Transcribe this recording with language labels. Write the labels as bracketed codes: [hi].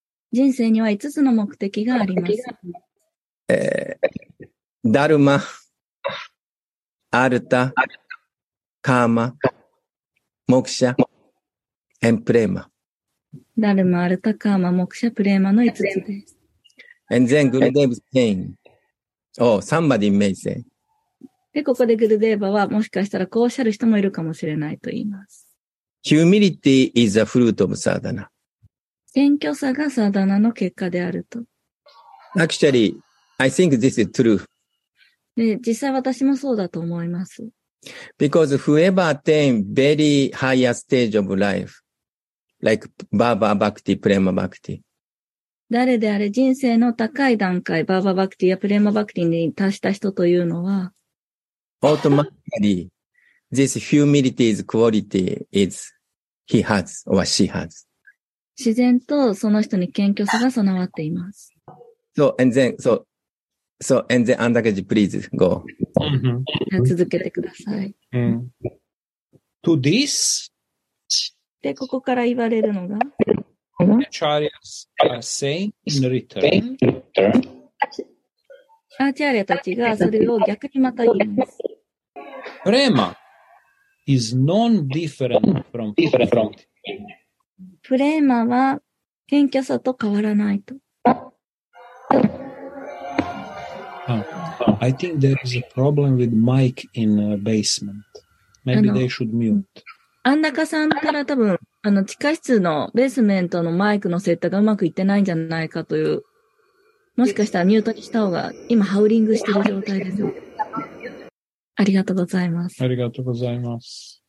[ja] 人生には5つの目的があります。ダルマ、アルタ、カーマ、モクシャ、エンプレーマ。ダルマ、アルタ、カーマ、モクシャ、プレーマの5つです。 [en] And then Gurudev saying, oh, somebody may say, [ja] で、ここでグルデーバはもしかしたらこうおっしゃる人もいるかもしれないと言います。 [en] Humility is a fruit of sadhana. [ja] 謙虚さがサダナの結果であると。 [en] Actually, I think this is true. [ja] で、実際私もそうだと思います。 [en] Because whoever attain very higher stage of life, like Baba Bhakti, Prema Bhakti, [ja] 誰であれ人生の高い段階、Baba Bhakti や Prema Bhakti に達した人というのは、 [en] Automatically, this humility's quality is he has or she has. [ja] 自然とその人に謙虚さが備わっています。 [en] So, and then, so, and then, Andakaji, please go. [ja] 続けてください。 [en] To this, [ja] で、ここから言われるのが、 [en] Acharyas are saying in return, [ja] アーチャリアたちがそれを逆にまた言います。 [en] Prema is non-different from fruit. [ja] Prema は謙虚さと変わらないと。 [en] I think there is a problem with mic in the basement. Maybe they should mute. [ja] 安中さんから多分あの地下室のベースメントのマイクの設定がうまくいってないんじゃないかという。もしかしたらミュートにした方が今ハウリングしている状態ですよ。ありがとうございます。ありがとうございます。